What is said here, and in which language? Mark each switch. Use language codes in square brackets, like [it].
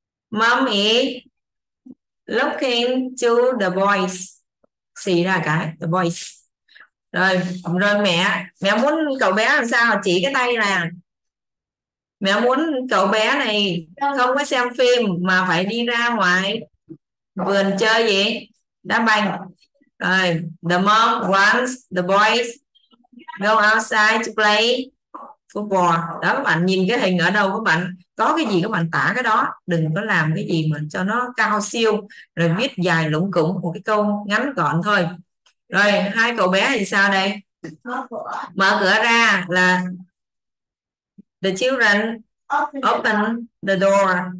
[en] Mom ý looking to the boys. [vi] Xì ra cái [en] the boys. [vi] Rồi, rồi mẹ. Mẹ muốn cậu bé làm sao? Chỉ cái tay là mẹ muốn cậu bé này không có xem phim mà phải đi ra ngoài vườn chơi gì? Đá banh. [en] Rồi, the mom wants the boys go outside to play football. [vi] Đó, bạn nhìn cái hình ở đâu của bạn? Có cái gì các bạn tả cái đó. Đừng có làm cái gì mà cho nó cao siêu. Rồi viết dài lủng củng một cái câu ngắn gọn thôi. Rồi, hai cậu bé thì sao đây? Mở cửa ra là [en] the children open the door.